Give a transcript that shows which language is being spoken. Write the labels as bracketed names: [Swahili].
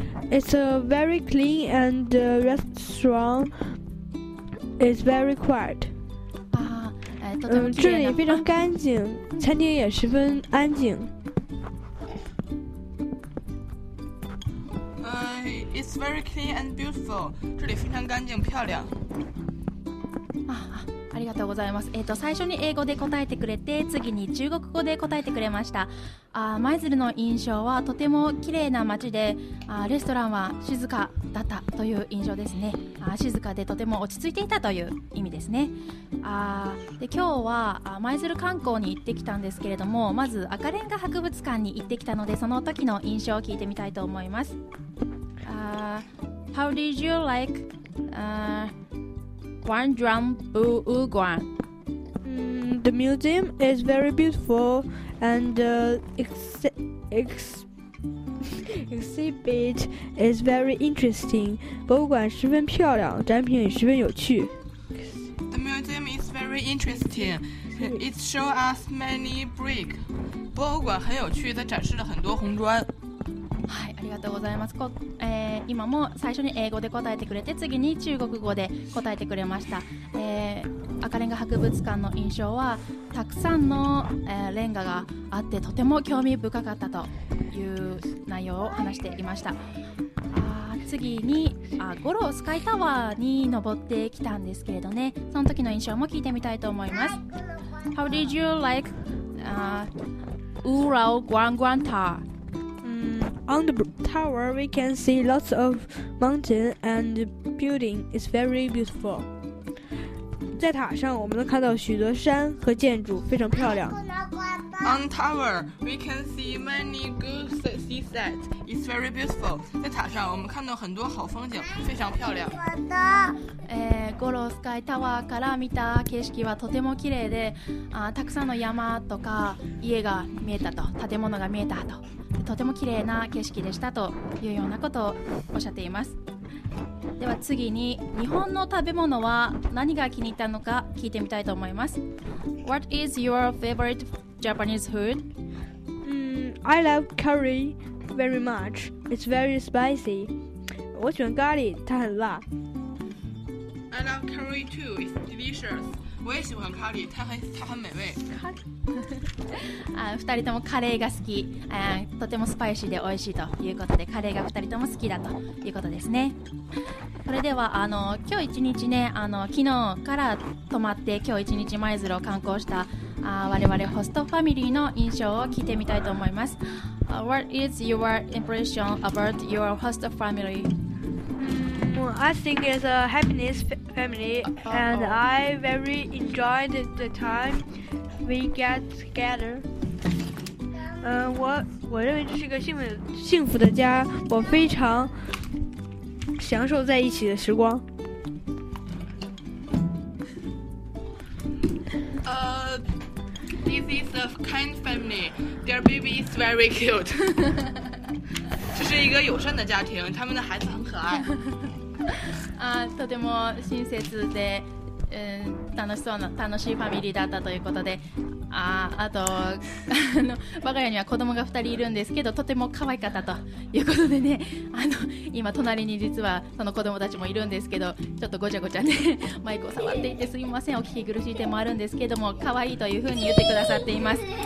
[English] It's a very clean and the restaurant is very quiet. [Chinese] 这里非常干净，餐厅也十分安静。 [English] It's very clean and beautiful. [Chinese] 这里非常干净漂亮。 [Japanese] ありがとうございます。最初に英語で答えてくれて、次に中国語で答えてくれました。舞鶴の印象はとても綺麗な街で、レストランは静かだったという印象ですね。静かでとても落ち着いていたという意味ですね。で、今日は舞鶴観光に行ってきたんですけれども、まず赤レンガ博物館に行ってきたので、その時の印象を聞いてみたいと思います。 [English] How did you like Guangdong博物館? The museum is very beautiful and the exhibit is very interesting. [Chinese] 博物馆十分漂亮，展品也十分有趣。 [English] The museum is very interesting. It shows us many bricks. [Chinese] 博物馆很有趣，它展示了很多红砖。 [Japanese] はい、ありがとうございます。今も最初に英語で答えてくれて、次に中国語で答えてくれました。赤レンガ博物館の印象はたくさんの、レンガがあってとても興味深かったという内容を話していました。次に五郎スカイタワーに登ってきたんですけれどね、その時の印象も聞いてみたいと思います。 [English] How did you like Urao Guangguan Tower? On the tower, we can see lots of mountain and building. It's very beautiful. [Chinese] 在塔上，我们能看到许多山和建筑，非常漂亮。 [English] On tower, we can see many good sunset. It's very beautiful. [Chinese] 在塔上，我们看到很多好风景，非常漂亮。 [Japanese] 五郎スカイタワーから見た景色はとても綺麗で、たくさんの山とか家が見えたと、建物が見えたと。とても綺麗な景色でしたというようなことをおっしゃっています。では次に日本の食べ物は何が気に入ったのか聞いてみたいと思います。 [English] What is your favorite Japanese food? I love curry very much. It's very spicy. [Chinese] 我喜欢咖喱，它很辣。 [English] I love curry too. It's delicious. [Chinese] 我也喜欢咖喱，它很美味。咖喱。 [Japanese] 二人ともカレーが好き。とてもスパイシーで美味しいということで、カレーが二人とも好きだということですね。それでは今日一日ね、昨日から泊まって今日一日舞鶴を観光した我々ホストファミリーの印象を聞いてみたいと思います。 [English] What is your impression about your host family? I think it's a happiness family, and I very enjoyed the time we get together. [Chinese] 我认为这是个幸福的家，我非常享受在一起的时光。 [English] This is a kind family. Their baby is very cute. [Chinese] 这是一个友善的家庭，他们的孩子很可爱。 [Japanese] とても親切で、楽しいファミリーだったということで、あと我が家には子供が2人いるんですけど、とても可愛かったということでね、今隣に実はその子供たちもいるんですけど、ちょっとごちゃごちゃねマイクを触っていてすみません、お聞き苦しい点もあるんですけども、可愛いというふうに言ってくださっています。